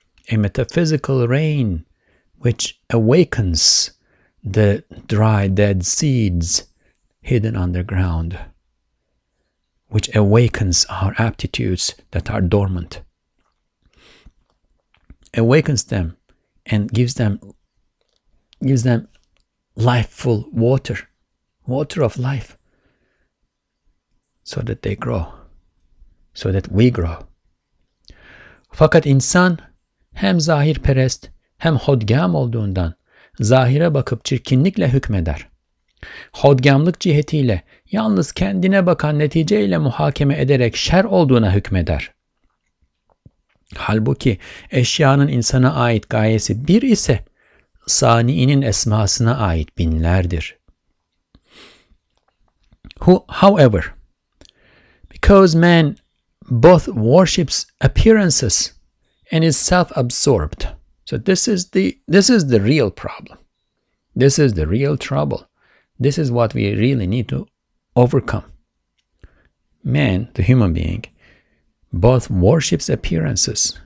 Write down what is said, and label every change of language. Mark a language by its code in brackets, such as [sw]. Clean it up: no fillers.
[en] A metaphysical rain which awakens the dry, dead seeds hidden underground, which awakens our aptitudes that are dormant, awakens them and gives them lifeful water, water of life, so that they grow, so that we grow. [tr] Fakat insan hem zahir perest hem hodgam olduğundan zahire bakıp çirkinlikle hükmeder. Hodgamlık cihetiyle yalnız kendine bakan neticeyle muhakeme ederek şer olduğuna hükmeder. Halbuki eşyanın insana ait gayesi bir ise saniinin esmasına ait binlerdir. [en] However, because man both worships appearances and is self-absorbed. So this is the real problem. This is the real trouble. This is what we really need to overcome. Man, the human being, both worships appearances.